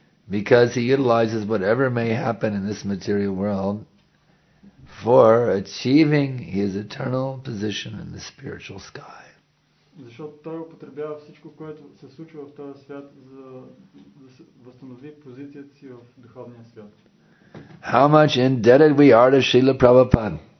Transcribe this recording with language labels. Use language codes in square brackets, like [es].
[en] Because he utilizes whatever may happen in this material world for achieving his eternal position in the spiritual sky. [bg] Защото той употребява всичко, което се случва в този свят, за да възстанови позицията си в духовния свят. [en] How much indebted we are to Srila Prabhupada.